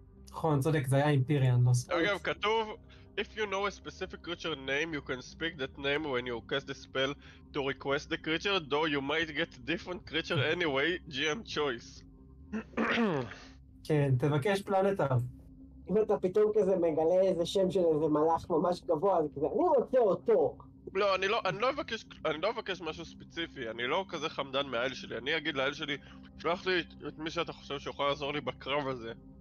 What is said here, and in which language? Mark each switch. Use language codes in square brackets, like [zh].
[he] נכון, צודק, זה היה אימפיריאן, לא סולר. אגב, כתוב, [en] If you know a specific creature name, you can speak that name when you cast the spell to request the creature, though you might get different creature anyway, GM choice. [he] כן, תבקש פלנטר. אם אתה פתאום כזה מגלה איזה שם של איזה מלאך ממש גבוה, אז כזה, אני רוצה אותו. לא, אני לא אבקש משהו ספציפי, אני לא כזה חמדן מהאל שלי, אני אגיד לאל שלי, שלח לי את מי שאתה חושב שיכול לעזור לי בקרב הזה.